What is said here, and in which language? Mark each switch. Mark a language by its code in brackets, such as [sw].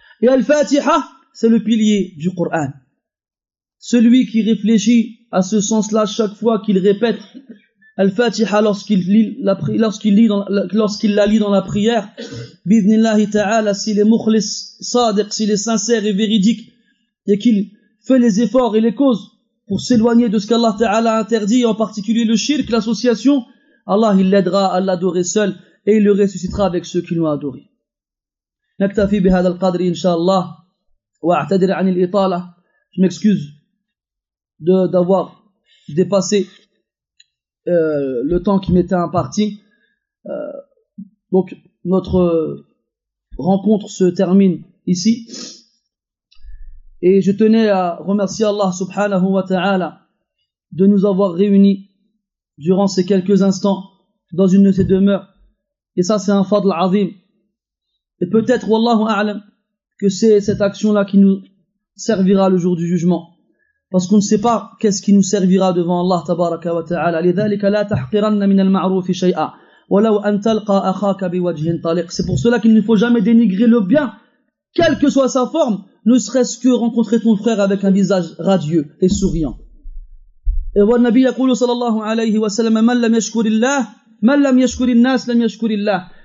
[fr] Et Al-Fatiha, c'est le pilier du Coran. Celui qui réfléchit à ce sens-là chaque fois qu'il répète Al-Fatiha lorsqu'il la lit dans la prière, [ar] bidnillahi ta'ala, [fr] s'il est [ar] mukhlis sadiq, [fr] s'il est sincère et véridique, et qu'il fait les efforts et les causes pour s'éloigner de ce qu'Allah ta'ala interdit, en particulier le shirk, l'association, Allah, il l'aidera à l'adorer seul, et il le ressuscitera avec ceux qui l'ont adoré. [ar] نكتفي بهذا القدر إن شاء الله وأعتذر عن الإطالة. [fr] Je m'excuse d'avoir dépassé le temps qui m'était imparti. Donc notre rencontre se termine ici. Et je tenais à remercier Allah [ar] subhanahu wa ta'ala [fr] de nous avoir réunis durant ces quelques instants dans une de ses demeures. Et ça, c'est un [ar] fadl azim. [fr] Et peut-être, [ar] wallahu a'lam, [fr] que c'est cette action-là qui nous servira le jour du jugement. Parce qu'on ne sait pas qu'est-ce qui nous servira devant Allah [ar] tabaraka wa ta'ala. لذلك لا تحقرن من المعروف شيئا ولو أن تلقى أخاك بوجه طليق. [fr] C'est pour cela qu'il ne faut jamais dénigrer le bien, quelle que soit sa forme, ne serait-ce que rencontrer ton frère avec un visage radieux et souriant. Et le Nabi [ar] يقول صلى الله عليه وسلم: من لم يشكر الله من لم يشكر الناس لم يشكر الله.